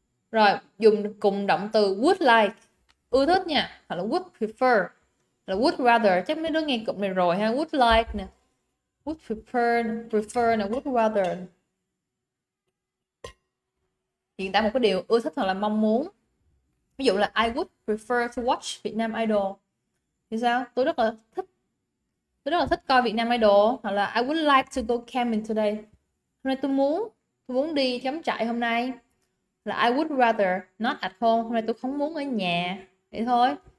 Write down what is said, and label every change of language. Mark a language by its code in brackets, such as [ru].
[vi] Rồi dùng cùng động từ would like, ưa thích nha, hoặc là would prefer, là would rather. Chắc mấy đứa nghe cụm này rồi ha, would like nè, would prefer nè, would rather, diễn tả một cái điều ưa thích hoặc là mong muốn. Ví dụ là [en] I would prefer to watch Vietnam Idol. [vi] Thì sao? Tôi rất là thích coi Vietnam Idol. Hoặc là [en] I would like to go camping today. [vi] Hôm nay tôi muốn đi cắm trại hôm nay. Là [en] I would rather not at home. [vi] Hôm nay tôi không muốn ở nhà. Vậy thôi.